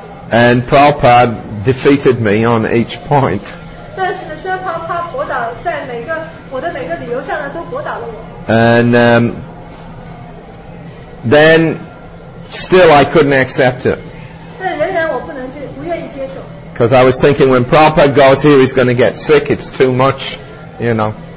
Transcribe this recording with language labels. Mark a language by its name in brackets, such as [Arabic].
[English] And Prabhupada defeated me on each point. [Chinese] 但是呢，薛泡泡驳倒在每个我的每个理由上呢，都驳倒了我。 [English] And then still I couldn't accept it. [Chinese] 但仍然我不能接，不愿意接受。 [English] Because I was thinking, when Prabhupada goes here, he's going to get sick. It's too much, you know.